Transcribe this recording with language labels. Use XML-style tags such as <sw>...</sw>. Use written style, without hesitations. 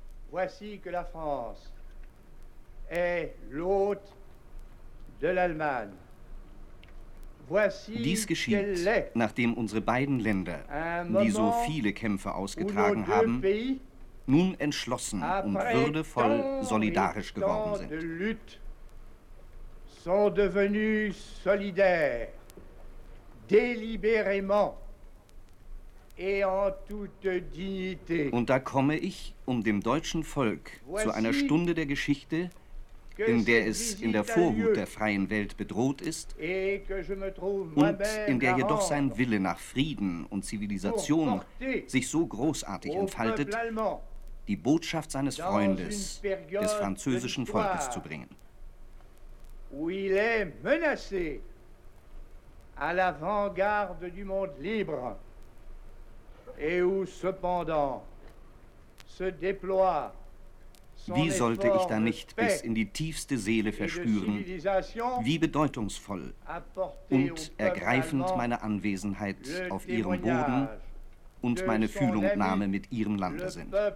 <fr>Voici que la France est l'hôte de l'Allemagne.</fr> <de>Dies geschieht, nachdem unsere beiden Länder, die so viele Kämpfe ausgetragen haben, nun entschlossen und würdevoll solidarisch geworden sind.</de> <fr>Sont devenus solidaires, délibérément et en toute dignité.</fr> <de>Und da komme ich, um dem deutschen Volk zu einer Stunde der Geschichte, in der es in der Vorhut der freien Welt bedroht ist und in der jedoch sein Wille nach Frieden und Zivilisation sich so großartig entfaltet, die Botschaft seines Freundes, des französischen Volkes zu bringen.</de> <fr>Où il est menacé à l'avant-garde du monde libre et où cependant se déploie son</fr> <de>Wie sollte ich da nicht bis in die tiefste Seele verspüren, wie bedeutungsvoll und ergreifend meine Anwesenheit auf ihrem Boden und meine Fühlungnahme mit ihrem Lande sind.</de>